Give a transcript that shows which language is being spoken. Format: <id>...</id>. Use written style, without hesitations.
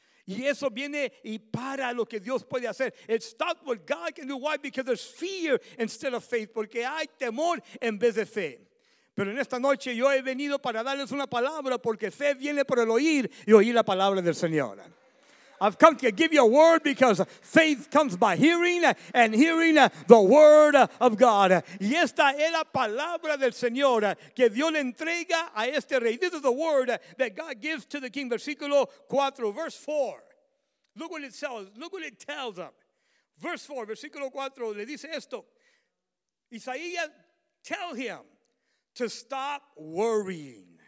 <es>Y eso viene y para lo que Dios puede hacer.</es> <en>It stops what God can do. Why? Because there's fear instead of faith.</en> <es>Porque hay temor en vez de fe. Pero en esta noche yo he venido para darles una palabra porque fe viene por el oír y oír la palabra del Señor.</es> <en>I've come to give you a word because faith comes by hearing and hearing the word of God.</en> <es>Y esta es la palabra del Señor que Dios le entrega a este rey.</es> <en>This is the word that God gives to the king.</en> <es>Versículo 4,</es> <en>verse 4. Look what it says. Look what it tells him. Verse 4,</en> <es>versículo 4, le dice esto.</es> <en>Isaías, tell him to stop worrying.</en>